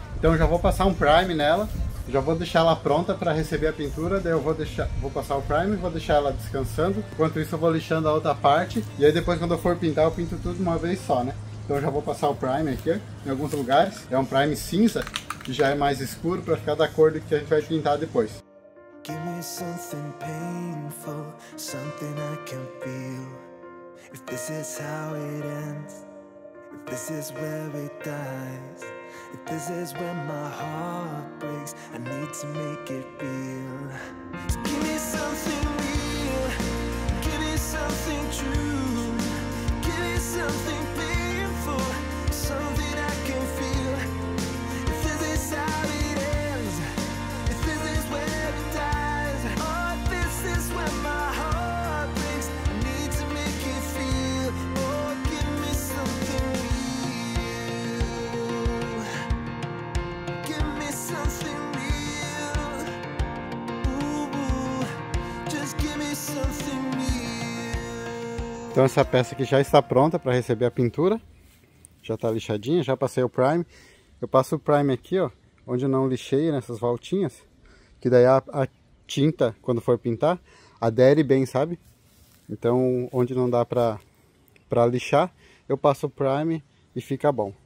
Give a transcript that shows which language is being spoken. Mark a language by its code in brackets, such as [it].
[pt] Então já vou passar um prime nela, já vou deixar ela pronta para receber a pintura. Daí eu vou passar o prime, vou deixar ela descansando. Enquanto isso eu vou lixando a outra parte. E aí depois quando eu for pintar eu pinto tudo uma vez só, né? Então já vou passar o prime aqui em alguns lugares. É um prime cinza, que já é mais escuro para ficar da cor do que a gente vai pintar depois. [en] Give me something painful, something I can feel. If this is how it ends, if this is where it dies, if this is where my heart breaks, I need to make it real. So give me something real, give me something true, give me something painful, something I can feel. If this is how it ends, if this is where it dies, oh, if this is where my heart breaks, I need to make it feel. Oh, give me something real, give me something real, ooh, just give me something real. [pt] Então essa peça aqui já está pronta para receber a pintura. Já está lixadinha, já passei o prime. Eu passo o prime aqui, ó, onde eu não lixei nessas voltinhas. Que daí a tinta, quando for pintar, adere bem, sabe? Então onde não dá para lixar, eu passo o prime e fica bom.